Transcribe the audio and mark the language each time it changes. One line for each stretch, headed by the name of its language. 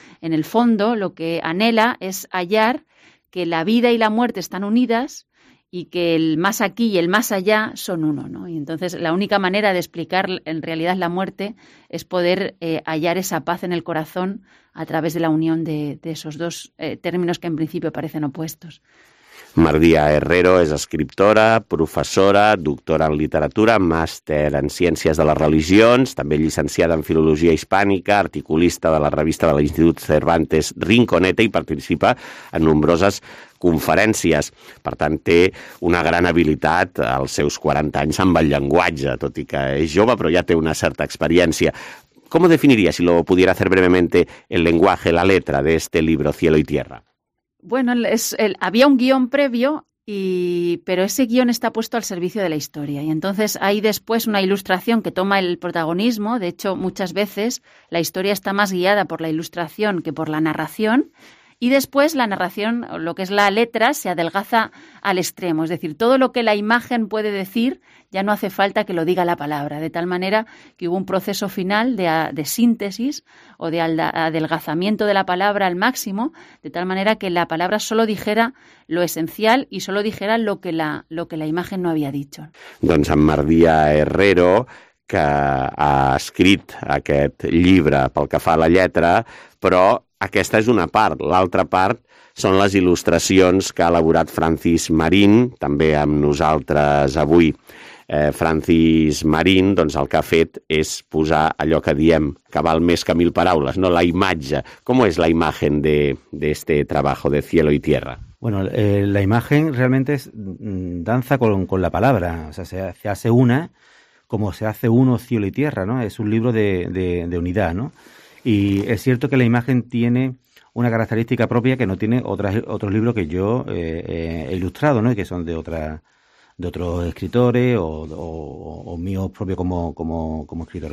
Spanish: En el fondo lo que anhela es hallar que la vida y la muerte están unidas y que el más aquí y el más allá son uno, ¿no? Y entonces la única manera de explicar en realidad la muerte es poder hallar esa paz en el corazón a través de la unión de esos dos términos que en principio parecen opuestos.
Catalan: Mardía Herrero es escriptora, professora, doctora en literatura, màster en ciències de les religions, també llicenciada en filologia hispànica, articulista de la revista de l'Institut Cervantes Rinconete i participa en nombroses conferències. Per tant, té una gran habilitat als seus 40 anys amb el llenguatge, tot i que és jove, però ja té una certa experiència.
Spanish: ¿Cómo definiría, si lo pudiera hacer brevemente, el lenguaje, la letra de este libro Cielo y Tierra? Bueno, había un guión previo, pero ese guión está puesto al servicio de la historia. Y entonces hay después una ilustración que toma el protagonismo. De hecho, muchas veces la historia está más guiada por la ilustración que por la narración. Y después la narración, lo que es la letra, se adelgaza al extremo. Es decir, todo lo que la imagen puede decir ya no hace falta que lo diga la palabra. De tal manera que hubo un proceso final de síntesis o de adelgazamiento de la palabra al máximo, de tal manera que la palabra solo dijera lo esencial y solo dijera lo que la imagen no había dicho.
Catalan: Don San Mardía Herrero, que ha escrit aquest llibre pel que fa a la lletra, però aquesta és una part. L'altra part són les il·lustracions que ha elaborat Francis Marín, també amb nosaltres avui. Francis Marín, doncs el que ha fet és posar allò que diem que val més que mil paraules, no? La imatge.
Spanish: ¿Cómo es la imagen de este trabajo de Cielo y Tierra? Bueno, la imagen realmente es danza con la palabra. O sea, se hace una como se hace uno cielo y tierra, ¿no? Es un libro de unidad, ¿no? Y es cierto que la imagen tiene una característica propia que no tiene otros libros que yo he ilustrado, ¿no? Y que son de otros escritores o míos propios como escritor.